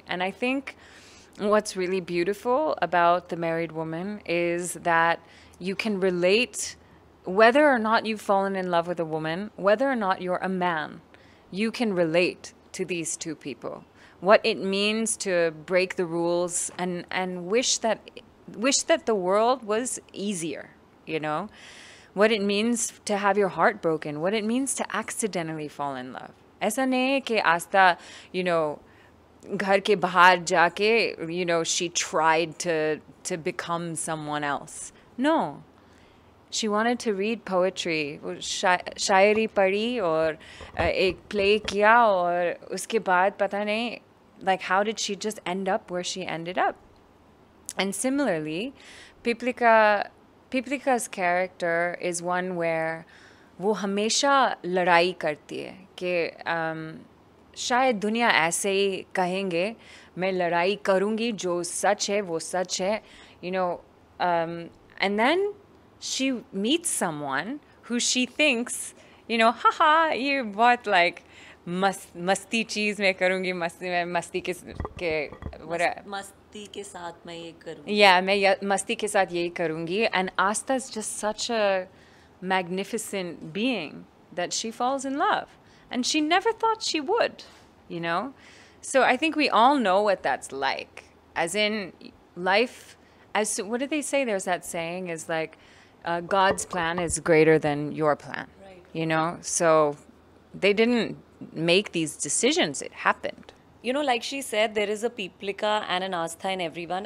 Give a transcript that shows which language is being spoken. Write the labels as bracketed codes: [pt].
[en] And I think what's really beautiful about the married woman is that you can relate whether or not you fallen in love with a woman whether or not you are a man you can relate to these two people what it means to break the rules and wish that the world was easier, you know, what it means to have your heart broken, what it means to accidentally fall in love. Aisa nahi ki Aastha, you know, ghar ke bahar jaake, you know, she tried to become someone else. No, she wanted to read poetry, shayari padhi aur ek play kiya aur uske baad pata nahi, like how did she just end up where she ended up? [hi] And similarly, Peeplika's character is one where वो हमेशा लड़ाई करती है कि शायद दुनिया ऐसे ही कहेंगे मैं लड़ाई करूँगी जो सच है वो सच है you know. [en] And then she meets someone who she thinks you know haha ये बहुत like मस्ती चीज़ मैं करूँगी मस्ती के [hi] के साथ मैं ये [en] करूँगी मैं मस्ती के साथ यही करूँगी. And Aastha is just such a magnificent being that she falls in love and she never thought she would you know. So I think we all know what that's like as in life, as what do they say, there's that saying, is like God's plan is greater than your plan, right? You know, so they didn't make these decisions, it happened. You know, like she said, there is a peeplika and an astha in everyone.